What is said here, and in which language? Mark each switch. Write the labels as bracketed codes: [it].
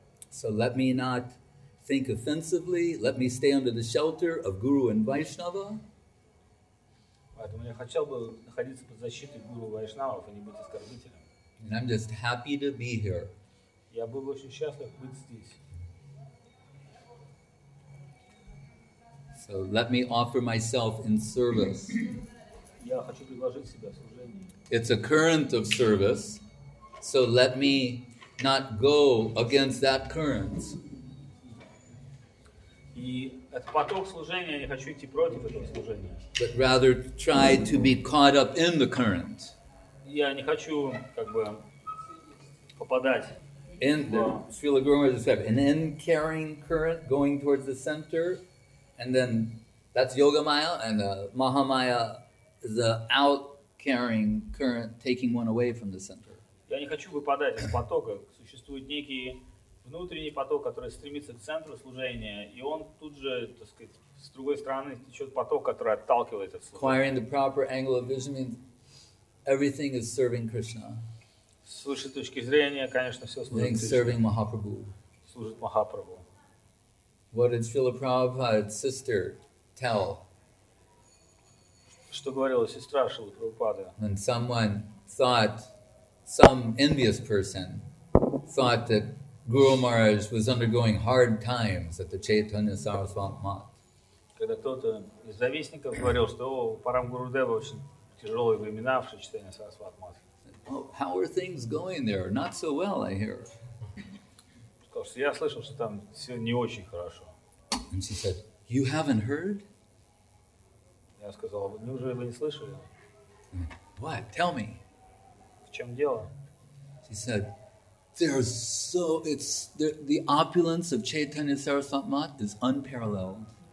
[en] So let me not think offensively, let me stay under the shelter of Guru and Vaishnava. [ru] Поэтому я хотел бы находиться под защитой Гуру Вайшнавов и не быть оскорбителем. [en] And I'm just happy to be here. [ru] Я был очень счастлив быть здесь. [en] So let me offer myself in service. [ru] Я хочу предложить себя в служении. [en] It's a current of service, so let me not go against that current. [ru] И этот поток служения, я не хочу идти против этого служения. [en] But rather try to be caught up in the current. [ru] Я не хочу, как бы, попадать. [en] In the Srila Guru Maharaj described an in-carrying current going towards the center, and then that's Yoga Maya, and Maha Maya is the out-carrying current taking one away from the center. [ru] Я не хочу выпадать из потока. Существует некий внутренний поток, который стремится к центру служения, и он тут же, так сказать, с другой стороны течет поток, который отталкивает от служения. [en] Acquiring the proper angle of vision means everything is serving Krishna. [ru] С высшей точки зрения, конечно, все служит Krishna. [en] Serving Mahaprabhu. [ru] Служит Махапрабху. [en] What did Srila Prabhupada's sister tell? [ru] Что говорила сестра Шрилы Прабхупады? [en] When someone thought, some envious person thought that Guru Maharaj was undergoing hard times at the Chaitanya Saraswat Math. [ru] Когда кто-то из завистников говорил, что Парам Гурудева очень тяжелые времена в Chaitanya Saraswat Math. [en] How are things going there? Not so well, I hear. [ru] Сказал, что я слышал, что там все не очень хорошо. [en] And she said, you haven't heard? [ru] Я сказал, неужели вы не слышали? [en] What? Tell me. [ru] В чем дело? [en] She said, the opulence of Chaitanya Saraswat Math is unparalleled.